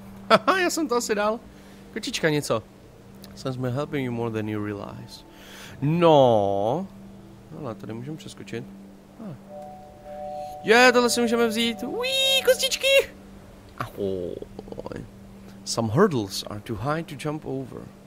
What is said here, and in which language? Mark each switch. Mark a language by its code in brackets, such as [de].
[cs] Haha, já jsem to asi dal. Kočička něco. [en] Sounds me helping you more than you realize. [cs] No. Hele, tady můžeme přeskočit. Je, yeah, tohle si můžeme vzít. Uíí, kostičky! Ahoj. [en] Some hurdles are too high to jump over.